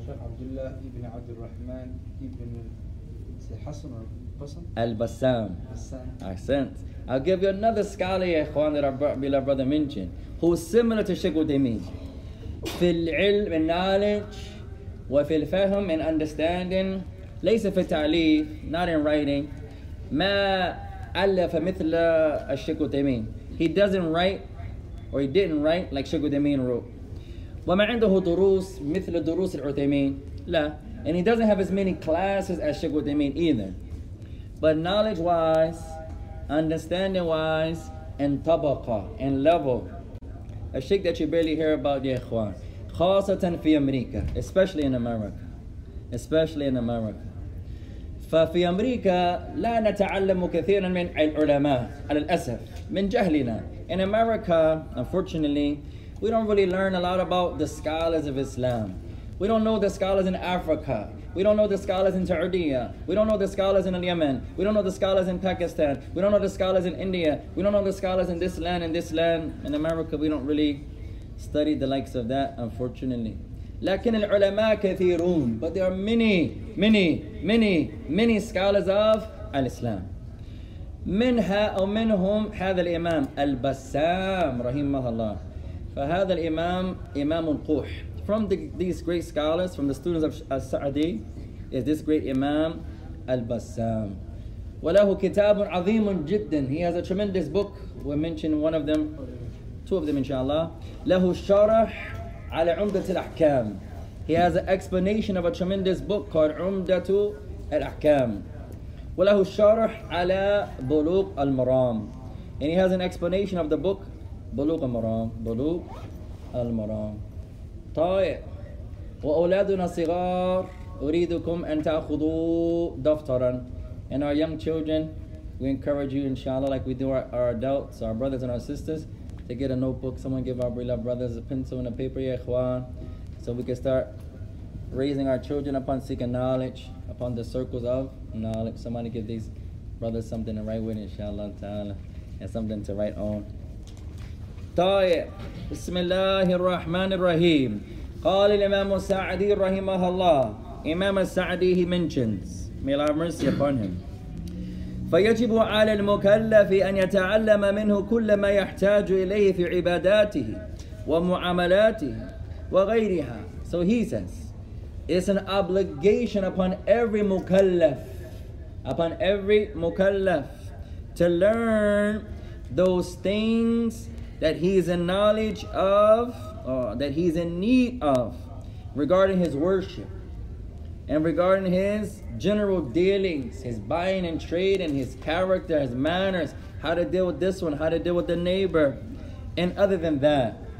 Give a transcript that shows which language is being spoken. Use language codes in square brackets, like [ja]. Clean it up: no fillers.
[ar] شيخ عبد الله ابن عبد الرحمن ابن حسن البصم. البسام. أحسنت. [en] I'll give you another scholar, [ar] يا إخوان, [en] that our beloved brother mentioned, who is similar to الشيخ عثيمين [ar] في العلم [en] and knowledge [ar] وفي الفهم [en] and understanding. [ar] ليس في التعليف, [en] not in writing. [ar] ما ألف مثل الشيخ عثيمين. [en] He doesn't write, or he didn't write like الشيخ عثيمين wrote. [ar] وما عنده دروس مثل دروس العثيمين. لا. [en] And he doesn't have as many classes as الشيخ عثيمين either. But knowledge wise, understanding wise, and طبقة and level, a sheikh that you barely hear about, [ar] يا إخوان. خاصة في أمريكا, [en] especially in America. Especially in America. [ar] ففي أمريكا لا نتعلم كثيرا من العلماء على الأسف من جهلنا. [en] In America, unfortunately, we don't really learn a lot about the scholars of Islam. We don't know the scholars in Africa. We don't know the scholars in Saudiya. We don't know the scholars in Yemen. We don't know the scholars in Pakistan. We don't know the scholars in India. We don't know the scholars in this land and this land. In America, we don't really study the likes of that, unfortunately. [ar] لكن العلماء كثيرون. [en] But there are many, many, many, many scholars of Al-Islam. [ar] منها أو منهم هذا الإمام البسام رحمه الله. فهذا الإمام إمام القوح. [en] From these great scholars, from the students of Al-Sa'di, is this great Imam Al-Bassam. [ar] وله كتاب عظيم جدا. [en] He has a tremendous book. We mentioned one of them, two of them, inshallah. [ar] له شرح على عمدة الأحكام. [en] He has an explanation of a tremendous book called عمدة الأحكام. [ar] وله شرح على بلوغ المرام. [en] And he has an explanation of the book بلوغ المرام. [ar] بلوغ المرام. طيب وأولادنا صغار أريدكم أن تأخذوا دفترا. [en] And our young children, we encourage you, inshallah, like we do our adults, our brothers and our sisters, to get a notebook. Someone give our beloved brothers a pencil and a paper, [ar] ya ikhwan, [en] so we can start raising our children upon seeking knowledge, upon the circles of knowledge. Somebody give these brothers something to write with, inshallah ta'ala, and something to write on. [ar] طيب بسم الله الرحمن الرحيم قال الإمام السعدي رحمه الله إمام السعدي [en] he mentions may Allah have mercy upon him [ar] فيجب على المكلف أن يتعلم منه كل ما يحتاج إليه في عباداته ومعاملاته وغيرها. [en] So he says it's an obligation upon every مكلف to learn those things that he is in knowledge of, that he is in need of, regarding his worship, and regarding his general dealings, his buying and trade, and his character, his manners, how to deal with this one, how to deal with the neighbor, and other than that.